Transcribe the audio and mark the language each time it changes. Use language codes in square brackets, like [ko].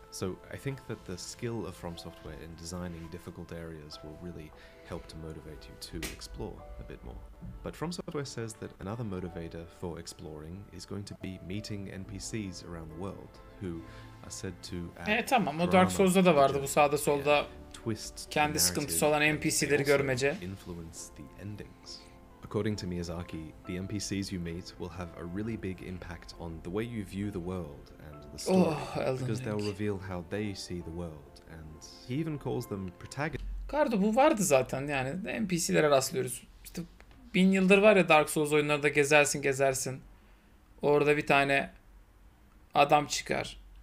[en] So I think that the skill of From Software in designing difficult areas will really help to motivate you to explore a bit more. But From Software says that another motivator for exploring is going to be meeting NPCs around the world who are said to add drama. [tr] Tamam, o Dark Souls'da da vardı bu sağda solda kendi sıkıntısı olan NPC'leri görmece. [en] Influence the endings. According to Miyazaki, the NPCs you meet will have a really big impact on the way you view the world and the story, because they'll reveal how they see the world, and he even calls them protagonists. [tr] Kardo, bu vardı zaten yani, NPC'lere rastlıyoruz. İşte bin yıldır var ya Dark Souls oyunlarında gezersin gezersin, orada bir tane adam çıkar.